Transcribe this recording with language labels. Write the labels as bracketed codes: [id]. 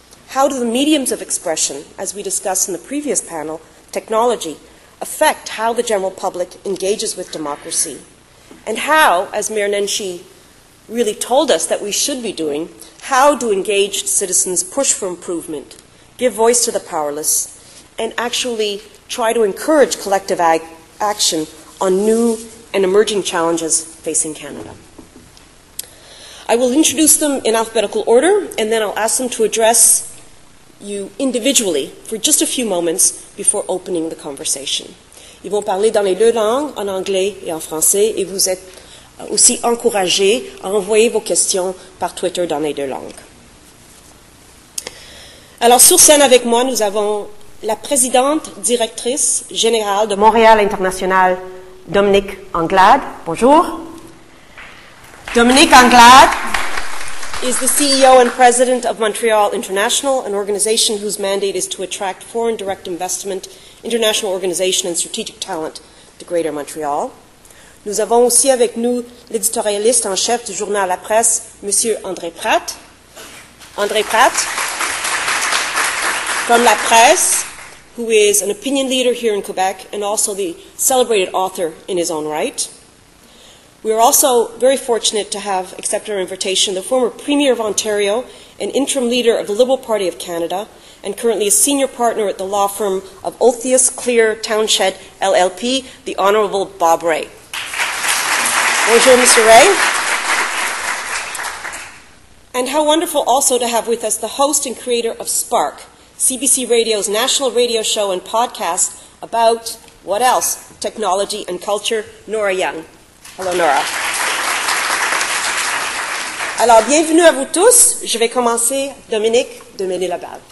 [en] how do the mediums of expression, as we discussed in the previous panel, technology, affect how the general public engages with democracy, and how, as Mayor Nenshi really told us that we should be doing, how do engaged citizens push for improvement, give voice to the powerless, and actually try to encourage collective action on new and emerging challenges facing Canada. I will introduce them in alphabetical order, and then I'll ask them to address you individually for just a few moments before opening the conversation. [fr] Ils vont parler dans les deux langues, en anglais et en français, et vous êtes aussi encouragés à envoyer vos questions par Twitter dans les deux langues. Alors, sur scène avec moi, nous avons la présidente directrice générale de Montréal International, Dominique Anglade. Bonjour. [en] Dominique Anglade is the CEO and president of Montreal International, an organization whose mandate is to attract foreign direct investment, international organization and strategic talent to Greater Montreal. [fr] Nous avons aussi avec nous l'éditorialiste en chef du journal La Presse, Monsieur André Pratt. [en] André Pratt, from La Presse, who is an opinion leader here in Quebec and also the celebrated author in his own right. We are also very fortunate to have accepted our invitation the former Premier of Ontario and interim leader of the Liberal Party of Canada and currently a senior partner at the law firm of Ulthius Clear Townshed LLP, the Honourable Bob Ray. Bonjour, Mr. Ray. And how wonderful also to have with us the host and creator of Spark, CBC Radio's national radio show and podcast about, what else, technology and culture, Nora Young. Hello, Nora. [fr] Alors, bienvenue à vous tous. Je vais commencer, Dominique, de mener la balle.